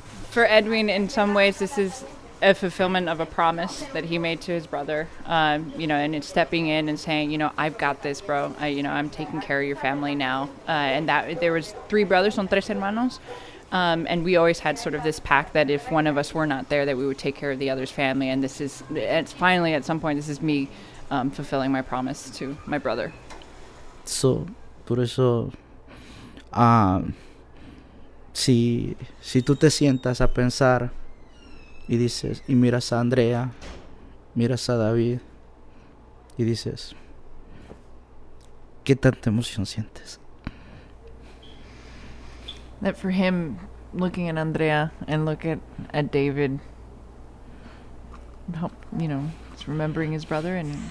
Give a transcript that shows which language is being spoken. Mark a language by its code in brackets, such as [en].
[en] For Edwin, in some ways, this is a fulfillment of a promise that he made to his brother, you know, and it's stepping in and saying, you know, I've got this, bro. You know, I'm taking care of your family now. And that there was three brothers, [es] son tres hermanos. [en] And we always had sort of this pact that if one of us were not there, that we would take care of the other's family. And this is, it's finally at some point, this is me fulfilling my promise to my brother. [es] So, por eso, Si tú te sientas a pensar y dices, y miras a Andrea, miras a David y dices, ¿qué tanta emoción sientes? [en] That for him, looking at Andrea and look at David, you know, it's remembering his brother and...